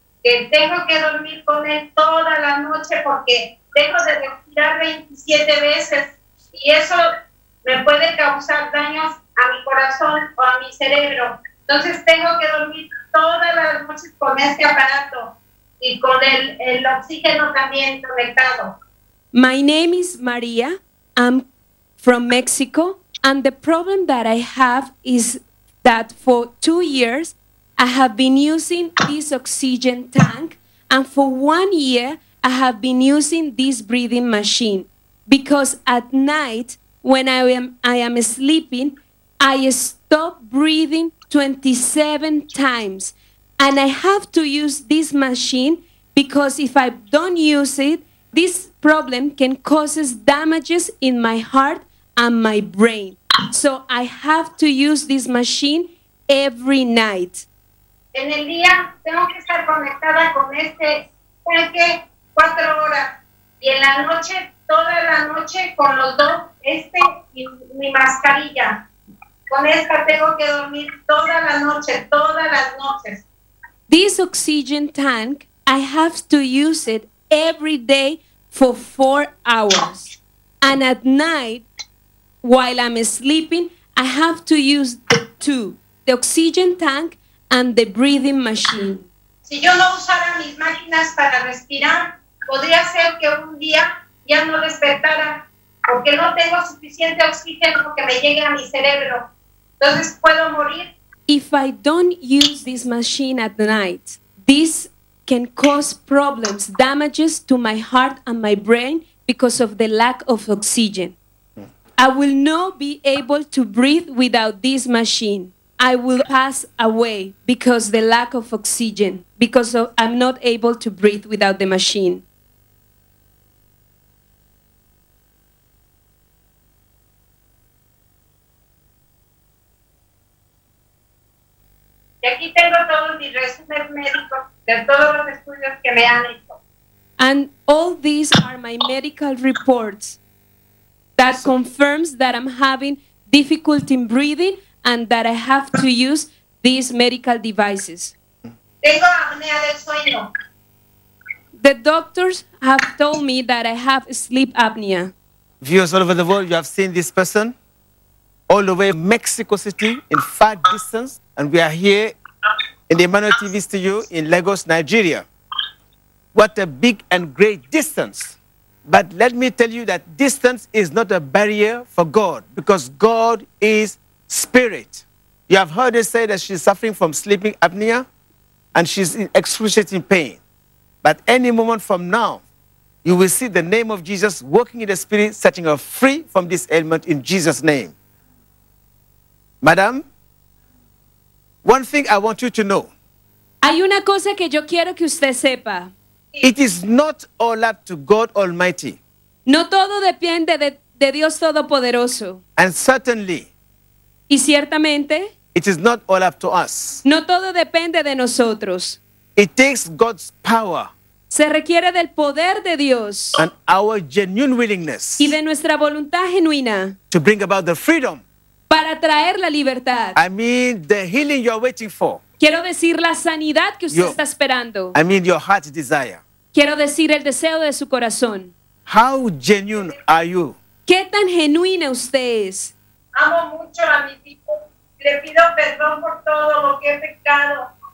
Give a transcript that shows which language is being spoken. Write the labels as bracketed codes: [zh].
[es] Que tengo que dormir con él toda la noche porque dejo de respirar 27 veces y eso me puede causar daños a mi corazón o a mi cerebro. Entonces tengo que dormir todas las noches con este aparato y con el oxígeno también conectado. [en] My name is María. I'm from Mexico. And the problem that I have is that for 2 years, I have been using this oxygen tank, and for 1 year, I have been using this breathing machine. Because at night, when I am sleeping, I stop breathing 27 times. And I have to use this machine, because if I don't use it, this problem can cause damages in my heart and my brain. So I have to use this machine every night. [es] En el día tengo que estar conectada con este tanque 4 horas. Y en la noche, toda la noche, con los dos, este y mi mascarilla. Con esta tengo que dormir toda la noche, todas las noches. [en] This oxygen tank, I have to use it every day for 4 hours. And at night, while I'm sleeping, I have to use the two, the oxygen tank and the breathing machine. [es] Si yo no usara mis máquinas para respirar, podría ser que un día ya no despertara, porque no tengo suficiente oxígeno que me llegue a mi cerebro. Entonces, ¿puedo morir? [en] If I don't use this machine at night, this can cause problems, damages to my heart and my brain because of the lack of oxygen. I will not be able to breathe without this machine. I will pass away because the lack of oxygen, because of, I'm not able to breathe without the machine. [es] Y aquí tengo todos mis resúmenes médicos de todos los estudios que me han hecho. [en] And all these are my medical reports that confirms that I'm having difficulty in breathing and that I have to use these medical devices. [es] Tengo apnea del sueño. [en] The doctors have told me that I have sleep apnea. Viewers all over the world, you have seen this person all the way in Mexico City in far distance, and we are here in the Emmanuel TV studio in Lagos, Nigeria. What a big and great distance. But let me tell you that distance is not a barrier for God, because God is spirit. You have heard it say that she's suffering from sleeping apnea and she's in excruciating pain. But any moment from now, you will see the name of Jesus working in the spirit, setting her free from this ailment in Jesus' name. Madam, one thing I want you to know. [es] Hay una cosa que yo quiero que usted sepa. [en] It is not all up to God Almighty. [es] No todo depende de Dios Todopoderoso. [en] And certainly. [es] Y ciertamente. [en] It is not all up to us. [es] No todo depende de nosotros. [en] It takes God's power. [es] Se requiere del poder de Dios. [en] And our genuine willingness. [es] Y de nuestra voluntad genuina. [en] To bring about the freedom. [es] Para traer la libertad. [en] I mean the healing you are waiting for. [es] Quiero decir la sanidad que usted está esperando. [en] I mean your heart desire. [es] Quiero decir el deseo de su corazón. [en] How genuine are you? [es] ¿Qué tan genuina usted es? Amo mucho a mis hijos. Le pido perdón por todo lo que he pecado.